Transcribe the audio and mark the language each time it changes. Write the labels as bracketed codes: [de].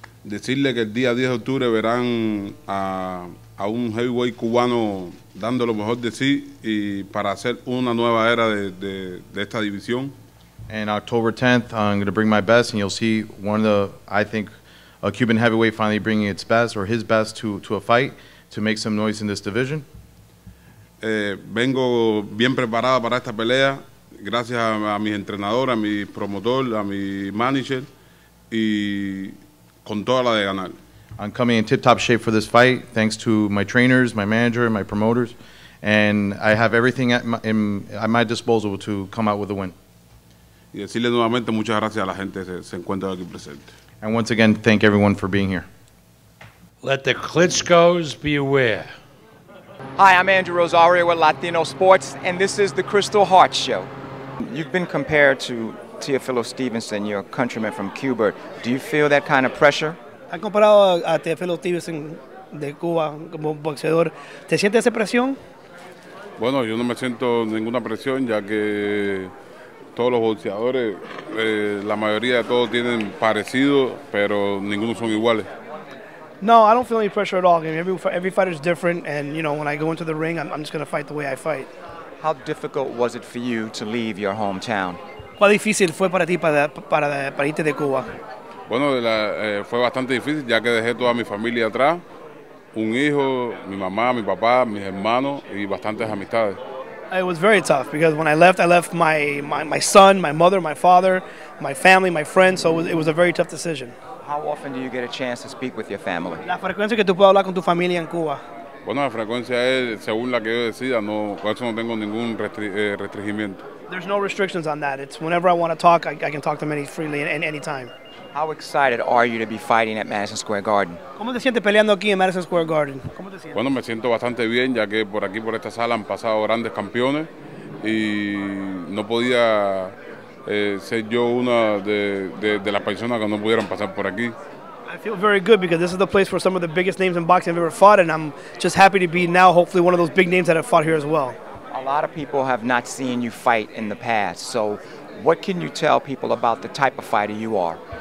[es] Decirle que el día 10 de octubre verán a un heavyweight cubano dando lo mejor de sí y para hacer una nueva era de esta división. [en] And October 10th, I'm going to bring my best, and you'll see one of the, I think, a Cuban heavyweight finally bringing its best or his best to a fight to make some noise in this division. [es] Vengo bien preparada para esta pelea, gracias a mis entrenadores, a mi promotor, a mi manager, y con toda la de ganar. [en] I'm coming in tip-top shape for this fight, thanks to my trainers, my manager, my promoters, and I have everything at my disposal to come out with a win. [es] Y decirle nuevamente muchas gracias a la gente que se encuentra aquí presente. [en] And once again, thank everyone for being here. Let the Klitschkos be aware. Hi, I'm Andrew Rosario with Latino Sports, and this is the Kristal Hart Show. You've been compared to Teofilo Stevenson, your countryman from Cuba. Do you feel that kind of pressure? [es] Han comparado a Teofilo Stevenson de Cuba como boxeador. ¿Te sientes esa presión? Bueno, yo no me siento ninguna presión, ya que todos los boxeadores, la mayoría de todos tienen parecido, pero ninguno son iguales. [en] No, I don't feel any pressure at all. I mean, every fighter is different, and you know, when I go into the ring, I'm just going to fight the way I fight. How difficult was it for you to leave your hometown? [es] ¿Cuál difícil fue para ti para irte de Cuba? Bueno, fue bastante difícil ya que dejé toda mi familia atrás, un hijo, mi mamá, mi papá, mis hermanos y bastantes amistades. [en] It was very tough because when I left my son, my mother, my father, my family, my friends. So it was a very tough decision. How often do you get a chance to speak with your family? [es] La frecuencia que tú puedes hablar con tu familia en Cuba. Bueno, la frecuencia es según la que yo decida. No, con eso no tengo ningún restringimiento. [en] There's no restrictions on that. It's whenever I want to talk, I can talk to many freely and any time. How excited are you to be fighting at Madison Square Garden? [es] ¿Cómo te sientes peleando aquí en Madison Square Garden? ¿Cómo te sientes? Bueno, me siento bastante bien ya que por aquí por esta sala han pasado grandes campeones y no podía ser yo una de las personas que no pudieron pasar por aquí. [en] I feel very good because this is the place for some of the biggest names in boxing I've ever fought, and I'm just happy to be now hopefully one of those big names that have fought here as well. A lot of people have not seen you fight in the past, so what can you tell people about the type of fighter you are?